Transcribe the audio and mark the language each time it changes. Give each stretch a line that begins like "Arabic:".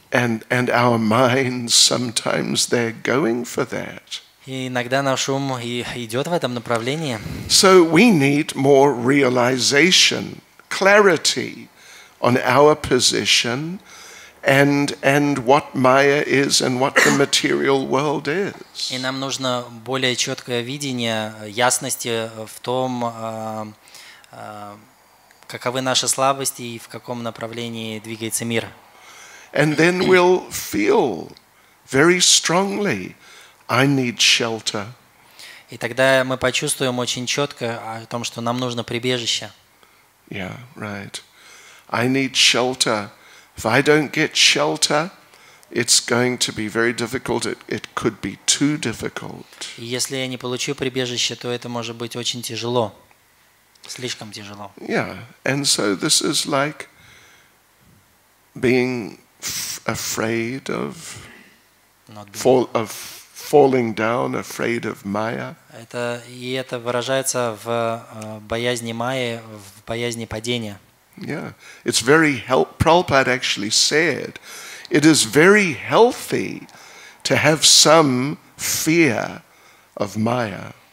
English: And our minds, sometimes they're going for that.
Russian: И иногда наш ум и идет в этом направлении.
English: So we need more realization, clarity on our position and what Maya is and what the material world is.
Russian: И нам нужно более четкое видение, ясности в том, каковы наши слабости и в каком направлении двигается мир.
English: And then we'll feel very strongly I need shelter.
Russian: И тогда мы почувствуем очень четко о том, что нам нужно прибежище.
English: Yeah, right. I need shelter. If I don't get shelter, it's going to be very difficult. It could be too difficult.
Russian: Если я не получу прибежище, то это может быть очень тяжело. Слишком тяжело.
English: Yeah. And so this is like being afraid of fall of falling down, afraid of Maya.
Russian: Это и это выражается в боязни Майи, в боязни падения.
English: Yeah, it's very healthy. Prabhupada actually said, it is very healthy to have some fear of Maya.